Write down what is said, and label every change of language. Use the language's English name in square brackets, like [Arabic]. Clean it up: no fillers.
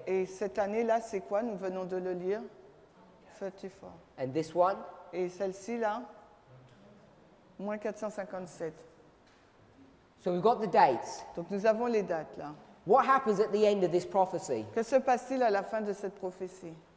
[French] Et cette année là, c'est quoi? Nous venons de le lire. 34. [English] And this one? [French] Et celle-ci là, moins 457. [English] So we've got the dates. [French] Donc nous avons les dates là. [English] What happens at the end of this prophecy? [French] Que se passe-t-il à la fin de cette prophétie?